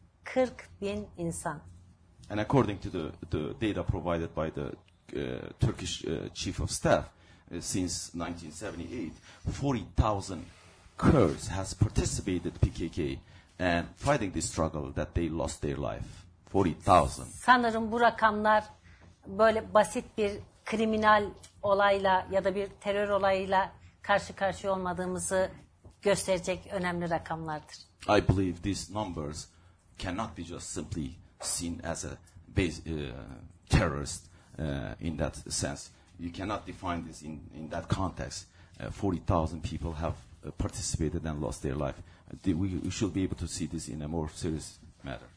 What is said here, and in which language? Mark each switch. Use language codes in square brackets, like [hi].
[tr] 40 bin insan. [en] And according to the data provided by the Turkish Chief of Staff, since 1978, 40,000 Kurds has participated PKK and fighting this struggle that they lost their life. 40,000. [tr] Sanırım bu rakamlar böyle basit bir kriminal olayla ya da bir terör olayıyla karşı karşıya olmadığımızı gösterecek önemli rakamlardır. [en] I believe these numbers cannot be just simply seen as a base, terrorist in that sense. You cannot define this in that context. 40,000 people have participated and lost their life. We should be able to see this in a more serious matter.